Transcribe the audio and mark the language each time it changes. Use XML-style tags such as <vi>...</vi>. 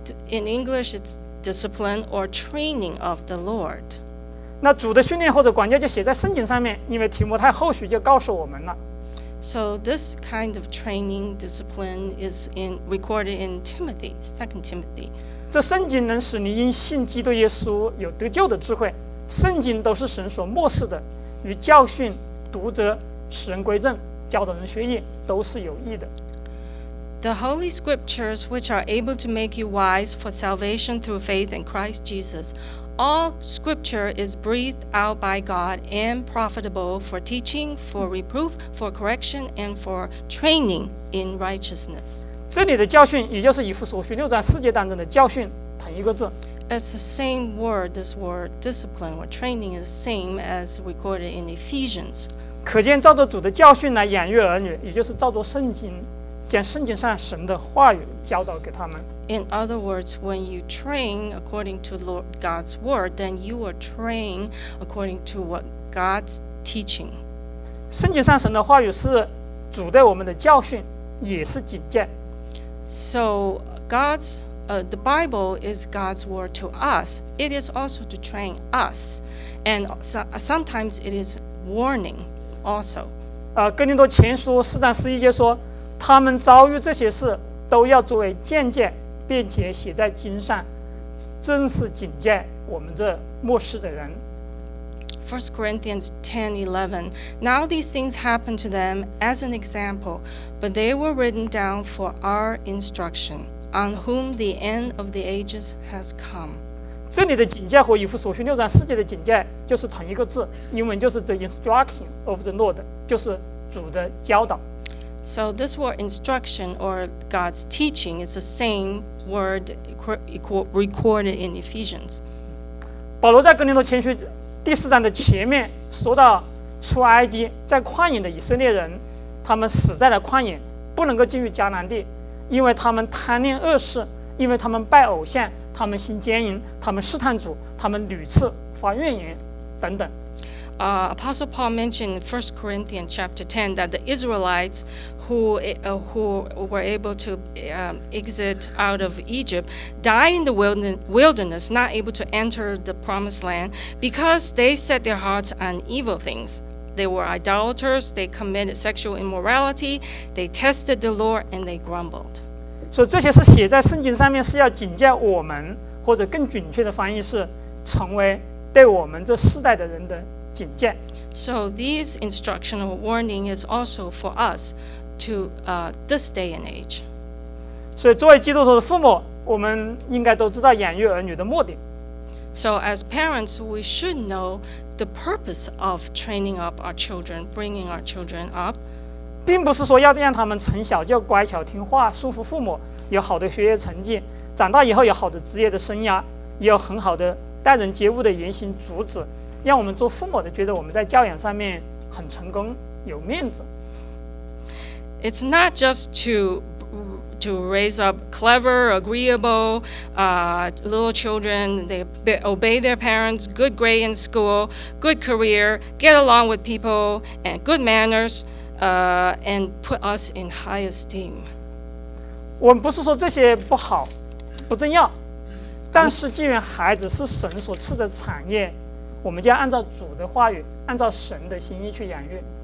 <en>In English, it's discipline or training of the Lord.</en> <zh>那主的训练或者管教就写在圣经上面，因为提摩太后续就告诉我们了。</zh> <en>So this kind of training discipline is recorded in Timothy, 2 Timothy.</en> <zh>这圣经能使你因信基督耶稣有得救的智慧。圣经都是神所默示的，与教训读者，使人归正，教导人学义，都是有益的。</zh> <en>The Holy Scriptures, which are able to make you wise for salvation through faith in Christ Jesus, all scripture is breathed out by God and profitable for teaching, for reproof, for correction, and for training in righteousness.</en> <zh>这里的教训也就是以弗所书六章四节当中的教训同一个字。</zh> <en>It's the same word, this word discipline or training is the same as recorded in Ephesians.</en> <zh>可见照着主的教训来养育儿女，也就是照着圣经，将圣经上神的话语教导给他们。</zh> <en>In other words, when you train according to Lord God's word, then you are trained according to what God's teaching.</en> <zh>圣经上神的话语是主对我们的教训，也是警戒。</zh> <en>So God's, the Bible is God's word to us. It is also to train us, and sometimes it is warning also.</en> <zh>哥林多前书四章十一节说，他们遭遇这些事，都要作为鉴戒。并且写在经上，正是警戒我们这末世的人。</zh> <en>First Corinthians 10:11. Now these things happened to them as an example, but they were written down for our instruction, on whom the end of the ages has come.</en> <zh>这里的警戒和以弗所书六章四节的警戒就是同一个字，英文就是</zh> <en>the instruction of the Lord,</en> <zh>就是主的教导。</zh> <en>So this word instruction or God's teaching is the same word recorded in Ephesians.</en> <zh>保罗在哥林多前书第四章的前面说到，出埃及在旷野的以色列人，他们死在了旷野，不能够进入迦南地，因为他们贪恋恶事，因为他们拜偶像，他们心奸淫，他们试探主，他们屡次发怨言，等等。</zh> <en>Apostle Paul mentioned in 1 Corinthians chapter 10 that the Israelites who were able to exit out of Egypt die in the wilderness, not able to enter the promised land because they set their hearts on evil things. They were idolaters, they committed sexual immorality, they tested the Lord, and they grumbled. So, these are written in the Bible, is to warn us, or in a more accurate translation, is to become for us this generation's warning. So these instruction or warning is also for us to this day and age.</en> <zh>所以作为基督徒的父母，我们应该都知道养育儿女的目的。</zh> <en>So as parents, we should know the purpose of training up our children, bringing our children up.</en> <zh>并不是说要让他们从小就乖巧听话，顺服父母，有好的学业成绩，长大以后有好的职业的生涯，也有很好的待人接物的言行举止。让我们做父母的觉得我们在教养上面很成功，有面子。</zh> <en>It's not just to raise up clever, agreeable, little children. They obey their parents, good grade in school, good career, get along with people, and good manners, and put us in high esteem.</en> <zh>我们不是说这些不好，不重要，但是既然孩子是神所赐的产业。我们就要按照主的话语，按照神的心意去养育。</zh>